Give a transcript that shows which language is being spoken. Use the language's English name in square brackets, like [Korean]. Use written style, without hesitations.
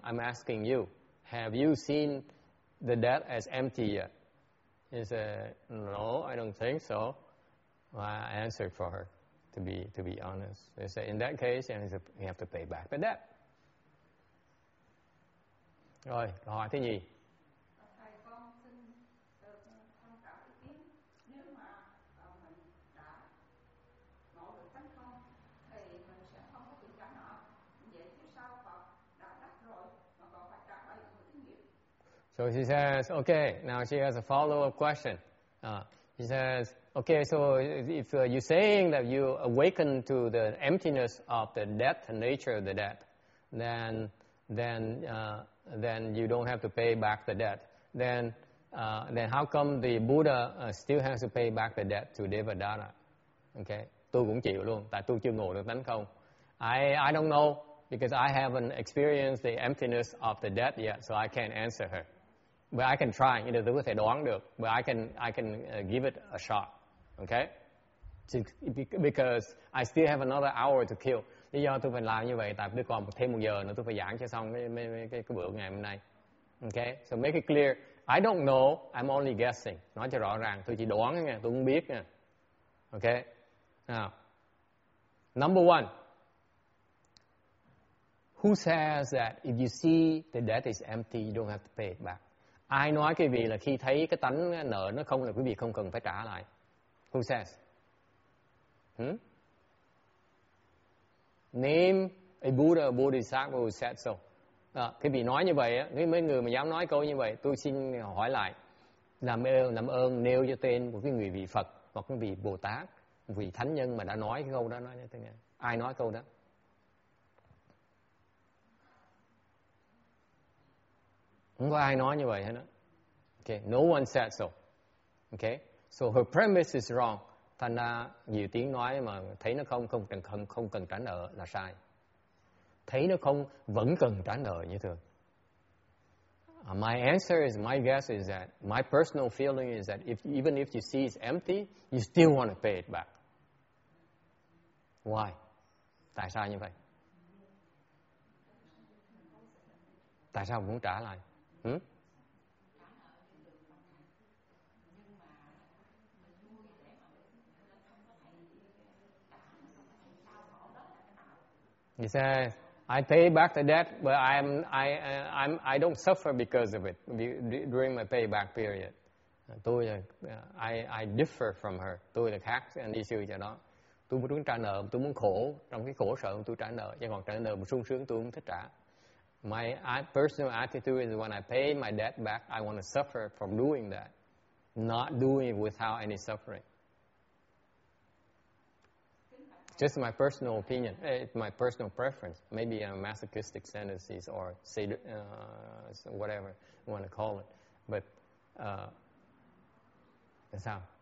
[English] I'm asking you, have you seen the death as empty yet? He said, no, I don't think so. Well, I answered for her, to be honest. They said, in that case, you have to pay back the debt. [Vietnamese] Rồi, hỏi thứ nhì. Thầy, con xin tham khảo ý kiến. Nếu mà mình đã nỗ lực tấn công, thì mình sẽ không có bị trả nợ. Vậy chứ sao Phật đã đắc rồi, mà còn phải trả lại một cái nghiệp? [English] So she says, okay, now she has a follow-up question. She says, okay, so if you're saying that you awaken to the emptiness of the death, the nature of the death, then you don't have to pay back the debt. Then how come the Buddha still has to pay back the debt to Devadatta? [Vietnamese] Okay, tôi cũng chịu luôn, tại tôi chưa ngộ được tánh không. [English] I don't know because I haven't experienced the emptiness of the debt yet, so I can't answer her. But I can try, you know, [Vietnamese] tôi có thể đoán được. [English] But I can give it a shot, okay? Because I still have another hour to kill. Lý do tôi phải làm như vậy tại tôi còn thêm một giờ nữa tôi phải giảng cho xong cái bữa ngày hôm nay. Okay, so make it clear. I don't know, I'm only guessing. [Vietnamese] Nói cho rõ ràng, tôi chỉ đoán nghe, tôi không biết nghe. [English] Okay, now, number one. Who says that if you see the debt is empty, you don't have to pay it back? [Vietnamese] Ai nói cái vị là khi thấy cái tánh nợ nó không là quý vị không cần phải trả lại? [English] Who says? Name a Buddha or Bodhisattva who said so. [Vietnamese] Cái vị nói như vậy, mấy người mà dám nói câu như vậy, tôi xin hỏi lại, làm ơn nêu cho tên một cái người vị Phật hoặc cái vị Bồ Tát, một vị thánh nhân mà đã nói cái câu đó, nói cho tôi nghe. Ai nói câu đó? Không có ai nói như vậy hết. [English] Okay, no one said so. Okay, so her premise is wrong. [Vietnamese] Thành ra nhiều tiếng nói mà thấy nó không cần trả nợ là sai. Thấy nó không vẫn cần trả nợ như thường. [English] My answer is, my guess is that my personal feeling is that even if you see it's empty, you still want to pay it back. Why? [Vietnamese] Tại sao như vậy? Tại sao muốn trả lại? [English] He says, "I pay back the debt, but I don't suffer because of it during my payback period." [Vietnamese] Tôi là, [English] I differ from her. [Vietnamese] Tôi là khác, [English] and issue cho đó. [Vietnamese] tôi muốn trả nợ, tôi muốn khổ trong cái khổ sở tôi trả nợ, nhưng còn trả nợ sung sướng tôi không thích trả. [English] My personal attitude is when I pay my debt back, I want to suffer from doing that, not doing it without any suffering. Just my personal opinion, it's my personal preference. Maybe a masochistic tendencies or say whatever you want to call it, but that's how.